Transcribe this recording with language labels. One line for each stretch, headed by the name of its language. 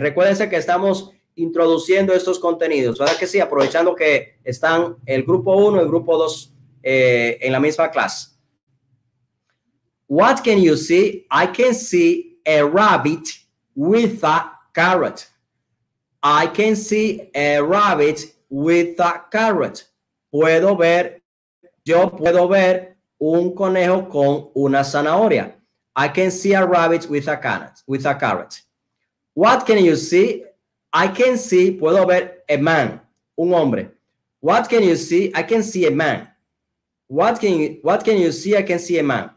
Spanish: Recuérdense que estamos introduciendo estos contenidos, ¿verdad que sí? Aprovechando que están el grupo 1 y el grupo 2 en la misma clase.
English: What can you see? I can see a rabbit with a carrot. I can see a rabbit with a carrot.
Spanish: Puedo ver, yo puedo ver un conejo con una zanahoria.
English: I can see a rabbit with a carrot. With a carrot. What can you see? I can see,
Spanish: puedo ver
English: a man,
Spanish: un hombre.
English: What can you see? I can see a man. What can you see? I can see a man.